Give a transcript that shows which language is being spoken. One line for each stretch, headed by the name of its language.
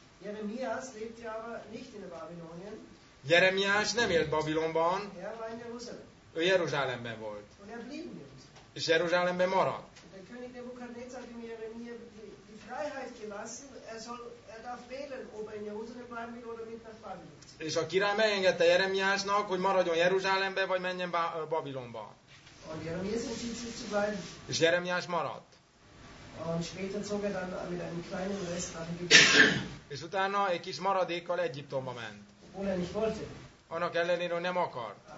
German: Jeremias lebt ja aber nicht in Babylonien.
Hungarian: Jeremias nem élt Babilonban.
German: Er war in Jerusalem.
Hungarian: Ő Jeruzsálemben volt.
German: Und er blieb in Jerusalem.
Hungarian: És Jeruzsálemben maradt.
German: Der König Nebukadnezar hat ihm Jeremia die Freiheit gelassen. Er darf wählen, ob er in Jerusalem bleiben will oder mit nach Babylon.
Hungarian: És a király megengedte Jeremiásnak, hogy maradjon Jeruzsálemben, vagy menjen Babilonba.
German: Und Jeremias entschied sich zu bleiben.
Hungarian: És Jeremias maradt.
German: Und später zog dann mit einem kleinen Rest nach Ägypten.
Hungarian: És utána egy kis maradékkal Egyiptomba ment. Annak ellenére, hogy nem akart.